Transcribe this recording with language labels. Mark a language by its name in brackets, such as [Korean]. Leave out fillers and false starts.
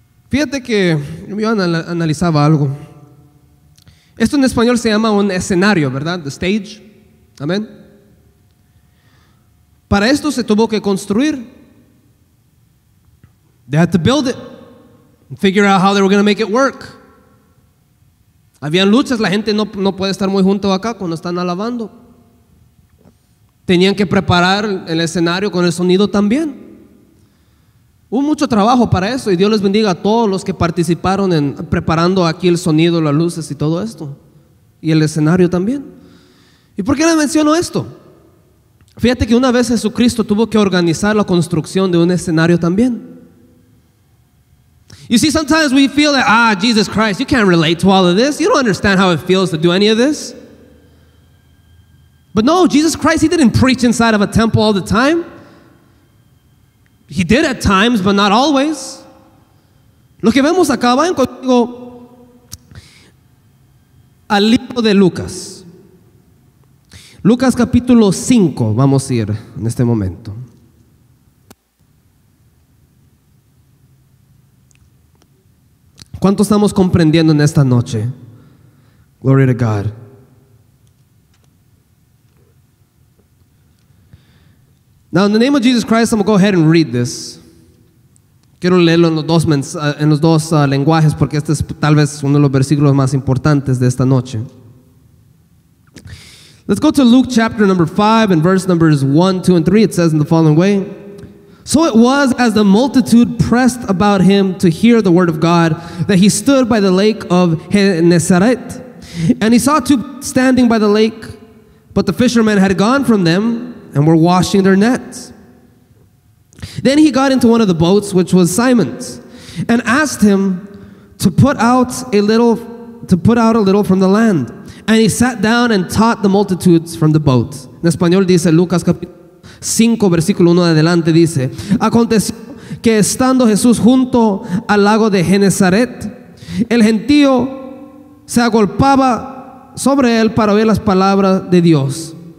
[Spanish] Fíjate que yo analizaba algo. Esto en español se llama un escenario, ¿verdad? [English] The stage. [Spanish] Amén. Para esto se tuvo que construir. [English] They had to build it and figure out how they were going to make it work. [Spanish] Habían luchas, la gente no puede estar muy junto acá cuando están alabando. Tenían que preparar el escenario con el sonido también. Hubo mucho trabajo para eso y Dios les bendiga a todos los que participaron en preparando aquí el sonido, las luces y todo esto. Y el escenario también. ¿Y por qué le menciono esto? Fíjate que una vez Jesucristo tuvo que organizar la construcción de un escenario también. [English] You see, sometimes we feel that, Jesus Christ, you can't relate to all of this. You don't understand how it feels to do any of this. But no, Jesus Christ, he didn't preach inside of a temple all the time. He did at times, but not always. [Spanish] Lo que vemos acá, vayan conmigo al libro de Lucas. Lucas capítulo 5, vamos a ir en este momento. ¿Cuánto estamos comprendiendo en esta noche? [English] Glory to God. Now, in the name of Jesus Christ, I'm going to go ahead and read this. [Spanish] Quiero leerlo en los dos lenguajes porque este es tal vez uno de los versículos más importantes de esta noche. [English] Let's go to Luke chapter number 5 and verse numbers 1, 2, and 3. It says in the following way. So it was as the multitude pressed about him to hear the word of God that he stood by the lake of Genesaret. And he saw two standing by the lake, but the fishermen had gone from them and were washing their nets. Then he got into one of the boats, which was Simon's, and asked him to put out a little from the land. And he sat down and taught the multitudes from the boat. [Spanish] En español dice Lucas capítulo 5, versículo 1 adelante, dice: Aconteció que estando Jesús junto al lago de Genesaret, el gentío se agolpaba sobre él para oír las palabras de Dios.